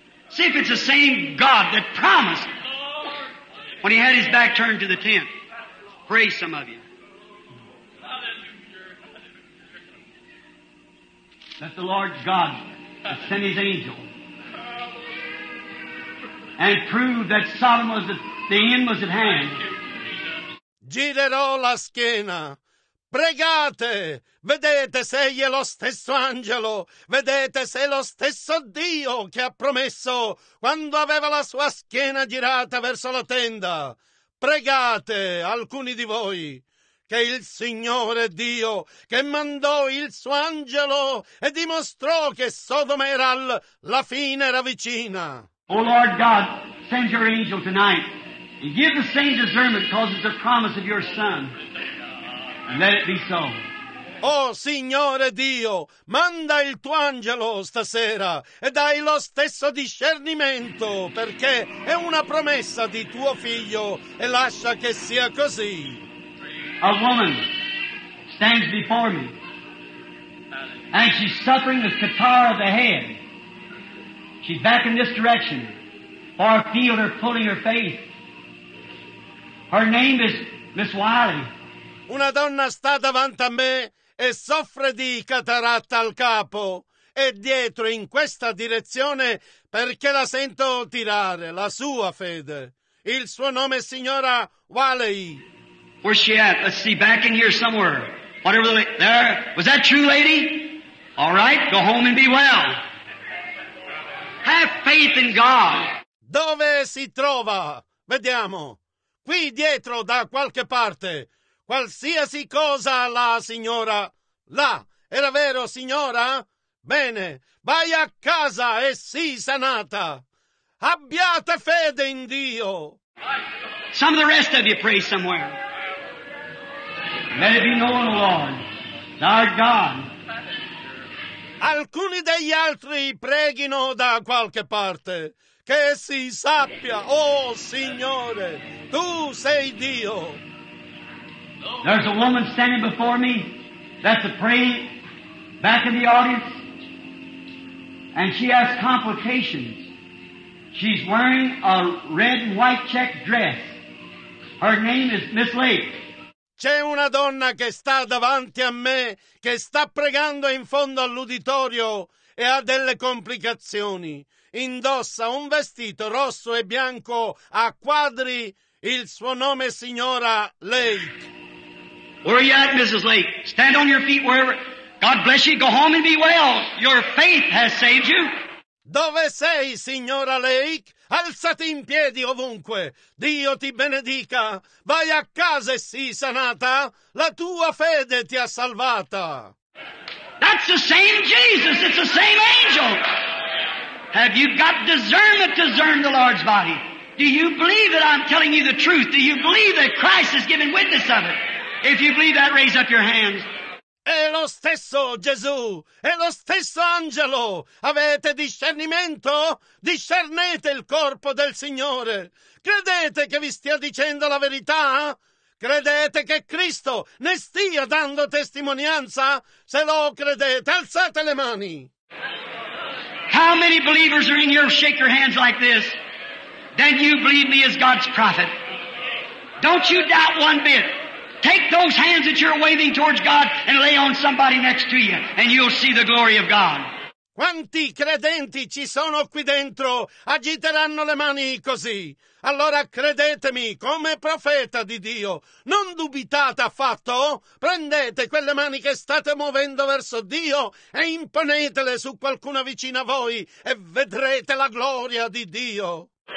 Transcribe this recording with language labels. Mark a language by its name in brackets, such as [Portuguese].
[English] See if it's the same God that promised when he had his back turned to the tent. Pray, some of you. That the Lord God that sent his angel and proved that Sodom was the end was at hand. [Italian] Girerò la schiena. Pregate, vedete se è lo stesso angelo, vedete se è lo stesso Dio che ha promesso quando aveva la sua schiena girata verso la tenda. Pregate, alcuni di voi, che il Signore Dio che mandò il suo angelo e dimostrò che Sodoma era la fine era vicina. [English] Oh Lord God, send your angel tonight and give the same discernment because it's the promise of your son. And let it be so. [Italian] Oh Signore Dio, manda il tuo angelo stasera e dai lo stesso discernimento, perché è una promessa di tuo figlio e lascia che sia così. [English] A woman stands before me and she's suffering the catarrh of the head. She's back in this direction, for I feel her pulling her faith. Her name is Miss Wiley. [Italian] Una donna sta davanti a me e soffre di cataratta al capo. È dietro in questa direzione perché la sento tirare la sua fede. Il suo nome è signora Wiley. [English] Where's she at? Let's see, back in here somewhere. Whatever the, there. Was that true, lady? All right, go home and be well. Have faith in God. [Italian] Dove si trova? Vediamo. Qui dietro, da qualche parte. Qualsiasi cosa, la signora. Là, era vero, signora? Bene, vai a casa e sii sanata. Abbiate fede in Dio. [English] Some of the rest of you pray somewhere. Let it be known, Lord, our God. [Italian] Alcuni degli altri preghino da qualche parte. Che si sappia, oh Signore, tu sei Dio. [English] There's a woman standing before me that's a praying back in the audience, and she has complications. She's wearing a red and white check dress. Her name is Miss Lake. [Italian] C'è una donna che sta davanti a me, che sta pregando in fondo all'uditorio e ha delle complicazioni. Indossa un vestito rosso e bianco a quadri. Il suo nome è signora Lake. [English] Where are you at, Mrs. Lake? Stand on your feet wherever. God bless you. Go home and be well. Your faith has saved you. [Italian] Dove sei, signora Lake? Alzati in piedi ovunque. Dio ti benedica. Vai a casa e sii sanata. La tua fede ti ha salvata. [English] That's the same Jesus. It's the same angel. Have you got discernment to discern the Lord's body? Do you believe that I'm telling you the truth? Do you believe that Christ has given witness of it? If you believe that, raise up your hands. [Italian] È lo stesso Gesù, è lo stesso angelo. Avete discernimento? Discernete il corpo del Signore. Credete che vi stia dicendo la verità? Credete che Cristo ne stia dando testimonianza? Se lo credete, alzate le mani. [English] How many believers are in here? Shake your hands like this. Then you believe me as God's prophet. Don't you doubt one bit. Take those hands that you're waving towards God and lay on somebody next to you, and you'll see the glory of God. [Italian] Quanti credenti ci sono qui dentro? Agiteranno le mani così. Allora credetemi come profeta di Dio. Non dubitate affatto. Prendete quelle mani che state muovendo verso Dio e imponetele su qualcuno vicino a voi e vedrete la gloria di Dio.